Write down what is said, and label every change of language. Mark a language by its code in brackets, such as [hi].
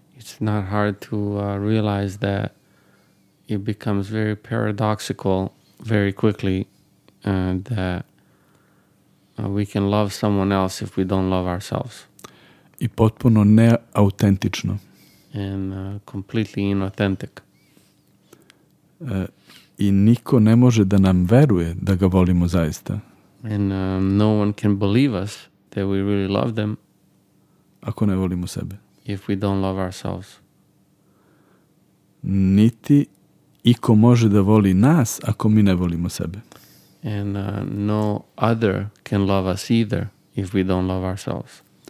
[en] it's not hard to realize that it becomes very paradoxical very quickly, and that we can love someone else if we don't love ourselves. [sr] I potpuno neautentično. [en] And completely inauthentic. [sr] I niko ne može da nam veruje da ga volimo zaista. [en] And no one can believe us that we really love them. [sr] Ako ne volimo sebe. [en] If we don't love ourselves. [sr] Niti iko može da voli nas ako mi ne volimo sebe. [en] And no other can love us either if we don't love ourselves.